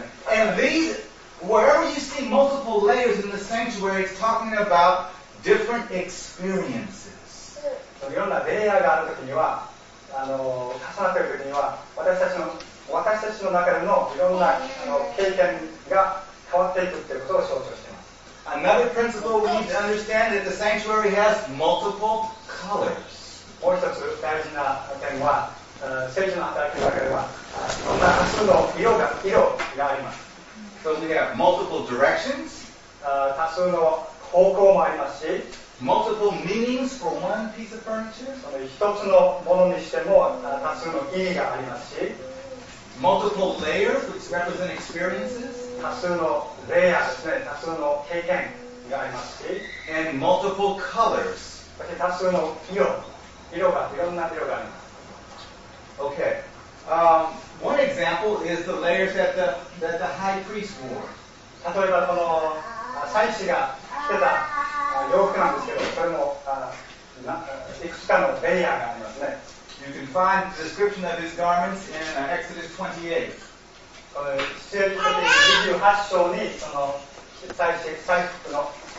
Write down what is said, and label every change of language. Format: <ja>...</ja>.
<en>And these, wherever you see multiple layers in the sanctuary, it's talking about different experiences.</en> <ja>So, いろんなレイヤーがあるときには、重なっているときには、私たちの中でのいろんな経験が変わっていくということを象徴しています。</ja> <en>Another principle we need to understand is that the sanctuary has multiple colors.</en> <ja>もう一つ大事な点は、聖所の働きの中では、こんな多数の色があります。</ja> <en>そして、multiple directions、</en> <ja>多数の方向もありますし、</ja> <en>multiple meanings for one piece of furniture、</en> <ja>その一つのものにしても多数の意味がありますし、</ja> <en>multiple layers which represent experiences、</en> <ja>多数のレイヤーですね、多数の経験がありますし、</ja> <en>and multiple colors、</en> <ja>そして多数の色がいろんな色があります。</ja> <en>Okay. One example is the layers that the high priest wore.</en> <ja>例えばこの祭司が着てた洋服なんですけど、それもいくつかのレイヤーがありますね。</ja> <en>You can find the description of his garments in Exodus 28.</en> <ja>この出エジプト記28章にその祭司祭服の</ja>